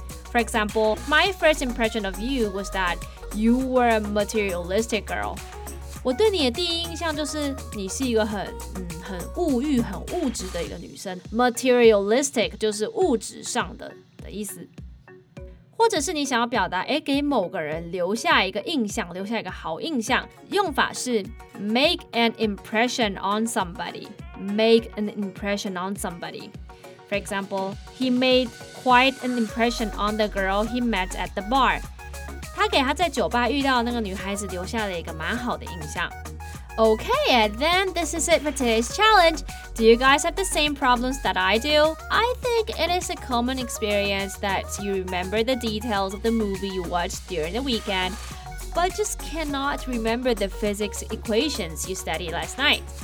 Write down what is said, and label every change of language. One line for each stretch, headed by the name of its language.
English: For example, my first impression of you was that you were a materialistic girl.
Chinese: 我对你的第一印象就是你是一个很物欲、很物质的一个女生。 Materialistic 就是物质上的意思。或者是你想要表达，给某个人留下一个印象，留下一个好印象，用法是
English: make an impression on somebody. Make an impression on somebody. For example, he made quite an impression on the girl he met at the bar.
Chinese: 他给他在酒吧遇到的那个女孩子留下了一个蛮好的印象。
English: Okay, then this is it for today's challenge. Do you guys have the same problems that I do? I think it is a common experience that you remember the details of the movie you watched during the weekend, but just cannot remember the physics equations you studied last night.